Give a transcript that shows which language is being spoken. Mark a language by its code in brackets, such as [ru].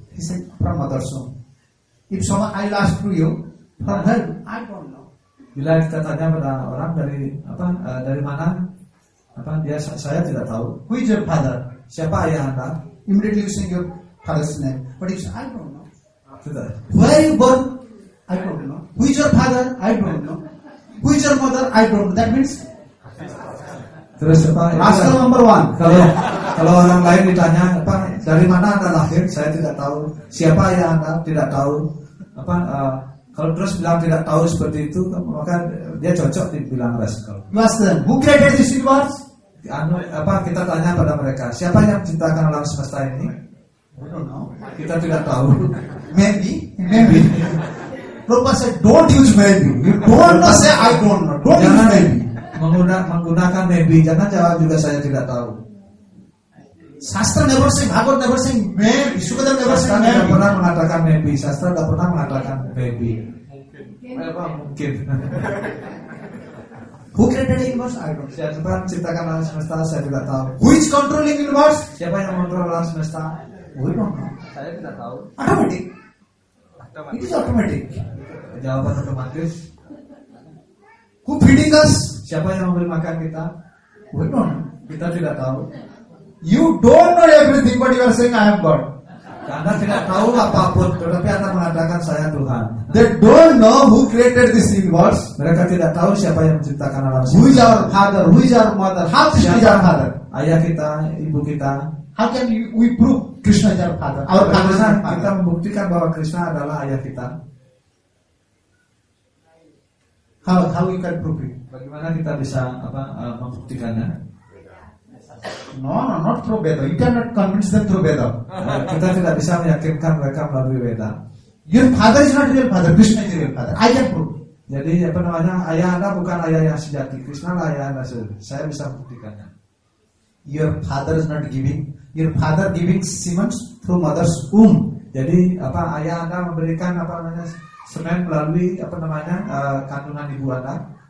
[en] He said from mother's womb. If someone I'll ask to you, from her, I don't know. [id] Bila kita tanya pada orang dari apa, dari mana, apa dia, saya tidak tahu. [en] Who is your father? [id] Siapa ayah Anda? [en] Immediately you say your father's name. But if I don't know. [id] Sudah. [en] Where are you born? I don't know. Who is your father? I don't know. Who is your mother? I don't know. That means. [id] Terus apa? [en] Rascal number one. [id] Kalau orang lain ditanya apa dari mana Anda lahir, saya tidak tahu. Siapa ayah Anda? Tidak tahu. Apa? Kalau terus bilang tidak tahu seperti itu, maka dia cocok dibilang rascal. [en] Master, who created this universe? [id] Kita tanya pada mereka. Siapa yang menciptakan alam semesta ini? [en] I don't know. [id] Kita tidak tahu. [en] Maybe. Prabhupada said, don't use maybe. You don't know, say I don't know. Don't use maybe. [id] Menggunakan maybe, jangan jawab juga saya tidak tahu. [en] Sastra never say, Bhagavad never say maybe. Sukadeva never say maybe. [id] Sastra tidak pernah mengatakan maybe. Sastra tidak pernah mengatakan maybe. Mungkin. [en] Who created the universe? I don't know. [id] Siapa menciptakan alam semesta? Saya tidak tahu. [en] Who is controlling the universe? [id] Siapa yang mengontrol alam semesta? [en] We don't know. [id] Saya tidak tahu. [en] Automatic. It is automatic. [id] Jawaban otomatis. [en] Who feeding us? [id] Siapa yang memberi makan kita? [en] We don't know. [id] Kita tidak tahu. [en] You don't know everything, but you are saying I am God. [id] Anda tidak tahu apapun, tetapi Anda mengatakan saya Tuhan. [en] They don't know who created this universe. [id] Mereka tidak tahu siapa yang menciptakan alam semesta. [en] Who is our father? Who is our mother? How is Krishna our father? [id] Ayah kita, ibu kita. [en] How can we prove Krishna is our father? Our father. [id] Kita membuktikan bahwa Krishna adalah ayah kita. [en] How you can prove it? [id] Bagaimana kita bisa membuktikannya? [en] No, not through Veda. You cannot convince them through Veda. [id] Kita tidak bisa meyakinkan mereka melalui Veda. [en] Your father is not your father. Krishna is your father. I can prove. [id] Jadi apa namanya, ayah Anda bukan ayah yang sejati. Krishna lah ayah Anda sejati. Saya bisa buktikannya. [en] Your father is not giving. Your father giving cements through mother's womb. [id] Jadi apa, ayah Anda memberikan apa namanya semen melalui apa namanya kandungan ibu Anda.